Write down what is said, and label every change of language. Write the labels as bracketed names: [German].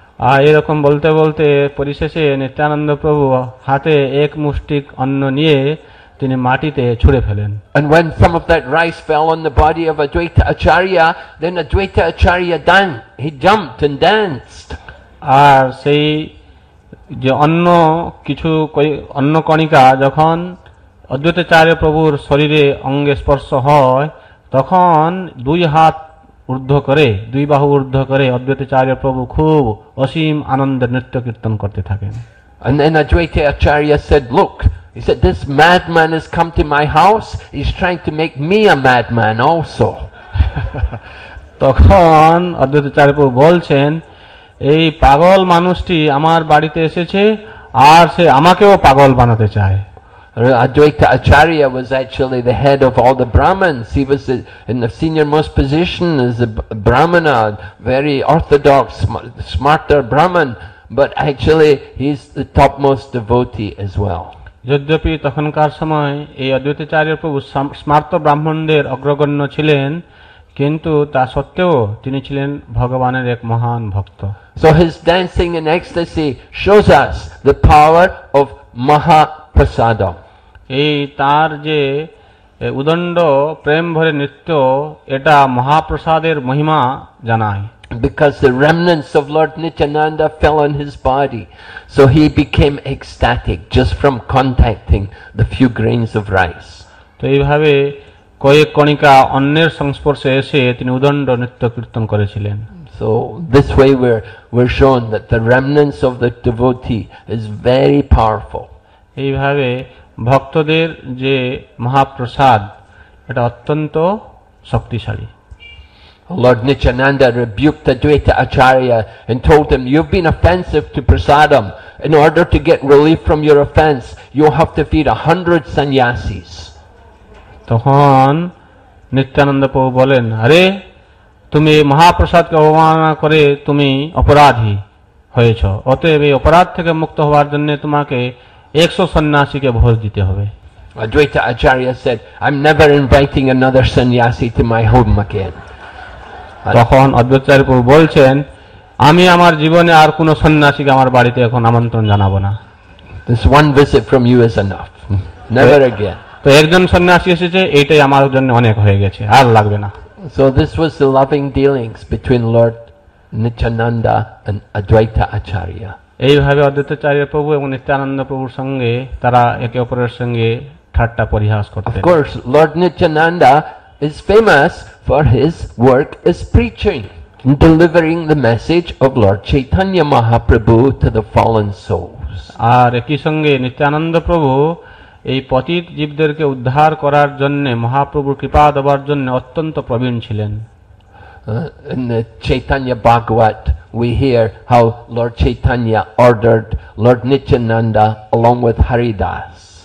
[Bangla] আর এরকম বলতে বলতে পরিশেষে নিত্যানন্দ প্রভু হাতে এক মুষ্টিক অন্ন নিয়ে তিনি মাটিতে ছুড়ে ফেলেন. [English] And when some of that rice fell on the body of Advaita Acharya, then Advaita Acharya danced. He jumped and danced. [Bangla] আর সেই যে অন্য কিছু অন্য কণিকা যখন অদ্বৈতাচার্য প্রভুর শরীরে অঙ্গে স্পর্শ হয় তখন দুই হাত ঊর্ধ্ব করে দুই বাহু ঊর্ধ্ব করে অদ্বৈতাচার্য প্রভু খুব অসীম আনন্দের নৃত্য কীর্তন করতে থাকেন. [English] And then Advaita Acharya said, look, he said, this madman has come to my house. He's trying to make me a madman also. [Bangla] তখন অদ্বৈতাচার্য প্রভু বলছেন, এই পাগল মানুষটি আমার বাড়িতে এসেছে আর সে আমাকেও পাগল বানাতে চায়. [English] Advaita Acharya was actually the head of all the Brahmins. He was in the senior most position as a Brahmana, very orthodox, smarter Brahman. But actually, he's the topmost devotee as well. [Bangla] যদ্যপি তখনকার সময় এই অদ্বৈতাচার্য প্রভু স্মার্ত ব্রাহ্মণদের অগ্রগণ্য ছিলেন কিন্তু তা সত্ত্বেও তিনি ছিলেন ভগবানের এক মহান ভক্ত. [English] So his dancing in ecstasy shows us the power of Mahaprasada. [Bangla] এই তার যে উদণ্ড প্রেম ভরে নৃত্য এটা মহাপ্রসাদের মহিমা জানায়. [English] Because the remnants of Lord Nityananda fell on his body. So he became ecstatic just from contacting the few grains of rice. So in this way, some people came to the other side of the temple. So this way we're shown that the remnants of the devotee is very powerful. In this way, the [Bangla] bhaktadir je [English] mahaprasad, it is very [Bangla] শক্তিশালী. [English] Lord Nityananda rebuked the Dvaita Acharya and told him, you've been offensive to Prasadam. In order to get relief from your offense, you have to feed 100 sannyasis. [Bangla] তখন নিত্যানন্দ প্রভু বলেন, আরে তুমি মহাপ্রসাদকে অবমাননা করে তুমি অপরাধী হয়েছ, অতএব এই অপরাধ থেকে মুক্ত হওয়ার জন্য তোমাকে 100 সন্ন্যাসীকে ভোজ দিতে হবে. [English] Advaita Acharya said, I'm never inviting another sannyasi to my home again. [Bangla] তখন অদ্বৈতাচার্য প্রভু বলছেন, আমি আমার জীবনে আর কোনো সন্ন্যাসীকে আমার বাড়িতে এখন আমন্ত্রণ জানাবো না. [English] This one visit from you is enough. Never again. [Bangla] তো একজন সন্ন্যাসী এসেছে, এটাই আমার জন্য অনেক হয়ে গেছে, আর লাগবে না. [English] So this was the loving dealings between Lord Nityananda and Advaita Acharya. [Bangla] এইভাবে অদ্বৈতাচার্য প্রভু এবং নিত্যানন্দ প্রভুর সঙ্গে তারা একে অপরের সঙ্গে ঠাট্টা পরিহাস করতেন. [English] Of course, Lord Nityananda is famous for his work as preaching, delivering the message of Lord Chaitanya Mahaprabhu to the fallen souls. [Bangla] আর একই সঙ্গে নিত্যানন্দ প্রভু এই পতিত জীবদেরকে উদ্ধার করার জন্য মহাপ্রভুর কৃপা দেবার জন্য অত্যন্ত প্রবীণ ছিলেন. [English] In the Chaitanya Bhagavat, we hear how Lord Chaitanya ordered Lord Nityananda along with Haridas.